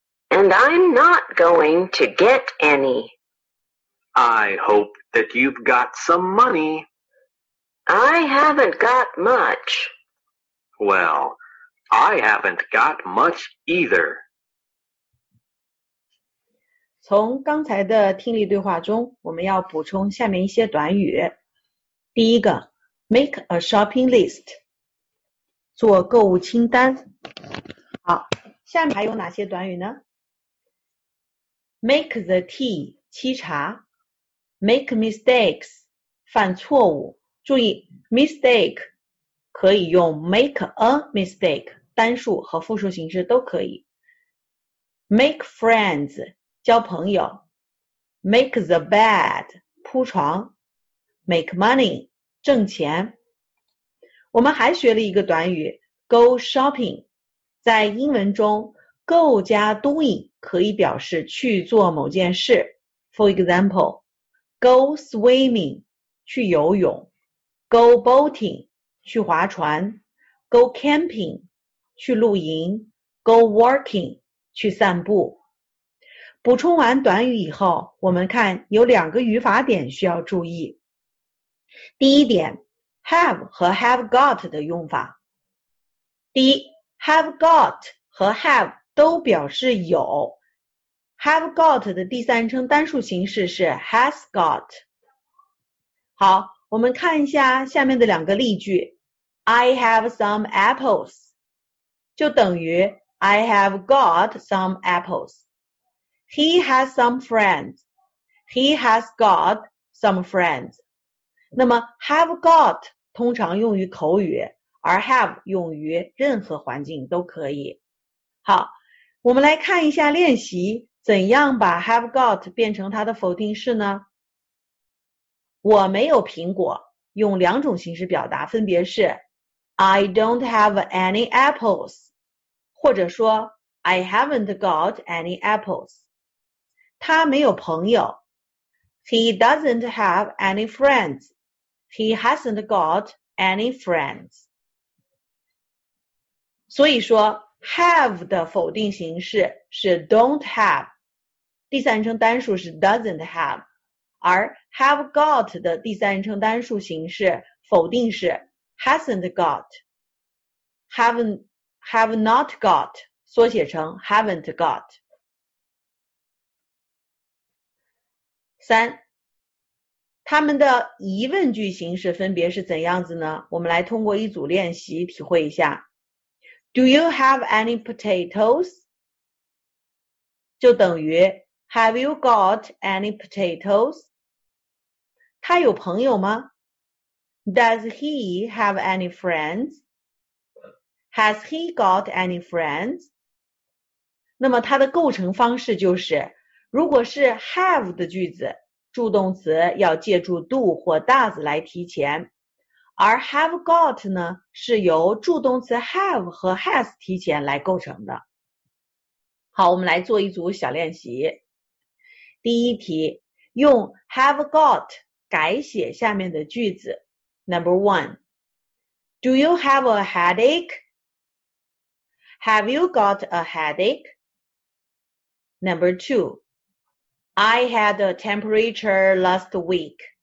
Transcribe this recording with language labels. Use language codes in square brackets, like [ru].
[en] And I'm not going to get any. I hope that you've got some money. I haven't got much. Well, I haven't got much either. [zh] 从刚才的听力对话中，我们要补充下面一些短语。第一个 , [en] make a shopping list, [zh] 做购物清单。好，下面还有哪些短语呢？ [en] Make the tea, 沏茶。 Make mistakes, 犯错误。 [zh] 注意 ,mistake, 可以用 [en] make a mistake, [zh] 单数和复数形式都可以。 [en] Make friends, 交朋友。 Make the bed, 铺床。 Make money, 挣钱。 [zh] 我们还学了一个短语 , [en] go shopping, [zh] 在英文中 go 加 doing,可以表示去做某件事。 [en] For example, go swimming, 去游泳。 Go boating, 去划船。 Go camping, 去露营。 Go walking, 去散步。 [zh] 补充完短语以后，我们看有两个语法点需要注意。第一点， have 和 have got 的用法。第一， have got 和 have 都表示有。 Have got 的第三人称单数形式是 has got。好，我们看一下下面的两个例句。 [en] I have some apples, [zh] 就等于 [en] I have got some apples. He has some friends, he has got some friends. [zh] 那么 have got 通常用于口语，而 have 用于任何环境都可以。好，我们来看一下练习。怎样把 have got 变成它的否定式呢？我没有苹果，用两种形式表达，分别是 [en] I don't have any apples, [zh] 或者说 [en] I haven't got any apples. [zh] 他没有朋友 [en] He doesn't have any friends. He hasn't got any friends. [zh] 所以说 have 的否定形式是 don't have,第三人称单数是 doesn't have, 而 have got 的第三人称单数形式否定是 hasn't got, have not got, 缩写成 haven't got. 三，他们的疑问句形式分别是怎样子呢？我们来通过一组练习体会一下。 [en] Do you have any potatoes? [zh] 就等于 [en] Have you got any potatoes? [zh] 他有朋友吗? [en] Does he have any friends? Has he got any friends? [zh] 那么它的构成方式就是，如果是 have 的句子，助动词要借助 do 或 does 来提前，而 have got 呢，是由助动词 have 和 has 提前来构成的。好，我们来做一组小练习。第一题，用 have got 改写下面的句子。 [en] Number one, Do you have a headache? Have you got a headache? Number two, I had a temperature last week.